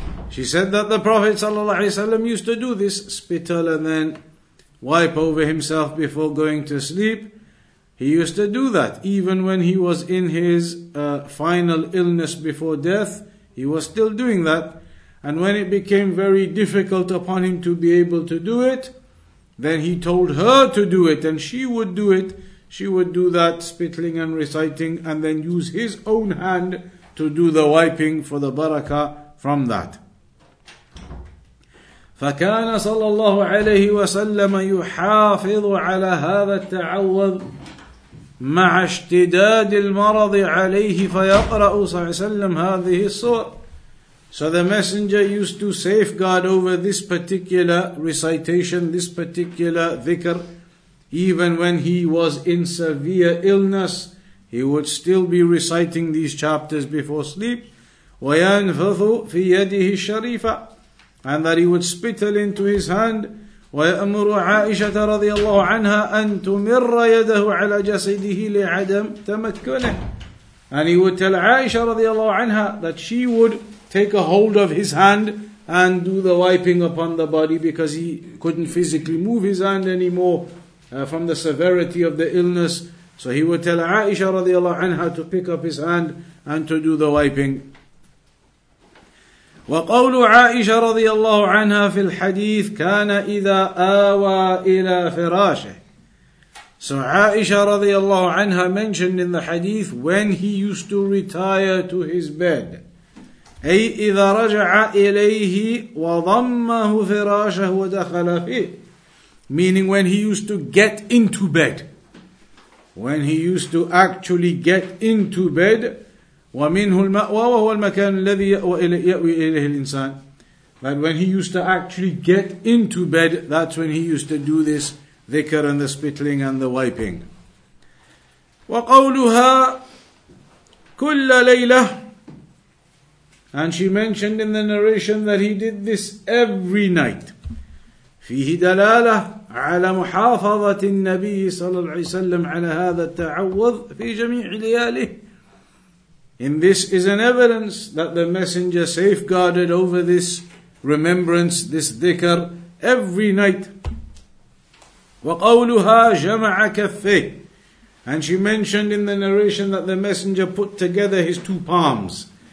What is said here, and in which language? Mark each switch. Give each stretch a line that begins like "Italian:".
English: She said that the Prophet ﷺ used to do this, spittle and then wipe over himself before going to sleep. He used to do that even when he was in his final illness before death. He was still doing that. And when it became very difficult upon him to be able to do it, then he told her to do it and she would do it. She would do that spittling and reciting and then use his own hand to do the wiping for the barakah from that.
Arabic: فكان صلى الله عليه وسلم يحافظ على هذا التعوذ مع اشتداد المرض عليه فيقرأ صلى الله عليه وسلم هذه السور.
English: So the messenger used to safeguard over this particular recitation, this particular dhikr, even when he was in severe illness, he would still be reciting these chapters before sleep.
Arabic: وَيَنْفَثُ فِي يَدِهِ الشَّرِيفَةِ,
English: and that he would spittle into his hand.
Arabic: وَيَأْمُرُ عَائِشَةَ رَضِيَ اللَّهُ عَنْهَا أَنْ تُمِرَّ يَدَهُ عَلَى جَسَدِهِ لِعَدَمْ تَمَكُّنِهِ,
English: and he would tell Aisha
Arabic: رضي الله عنها
English: that she would take a hold of his hand and do the wiping upon the body because he couldn't physically move his hand anymore from the severity of the illness. So he would tell Aisha
Arabic: رضي الله عنها
English: to pick up his hand and to do the wiping.
Arabic: وقول عائشة رضي الله عنها في الحديث كان إذا آوى إلى فراشه.
English: So عائشة
Arabic: رضي الله عنها
English: mentioned in the hadith when he used to retire to his bed.
Arabic: أي إذا رجع إليه وضمه فراشه ودخل فيه.
English: Meaning when he used to get into bed. When he used to actually get into bed.
Arabic: ومنه المأوى وهو المكان الذي يأوي إليه الإنسان.
English: But when he used to actually get into bed, that's when he used to do this dhikr and the spittling and the wiping.
Arabic: وقولها كل ليلة,
English: and she mentioned in the narration that he did this every night.
Arabic: فيه دلالة على محافظة النبي صلى الله عليه وسلم على هذا التعوذ في جميع لياله.
English: In this is an evidence that the messenger safeguarded over this remembrance, this dhikr, every night.
Arabic: وَقَوْلُهَا جَمَعَ كَفَّيْهِ.
English: And she mentioned in the narration that the messenger put together his two palms.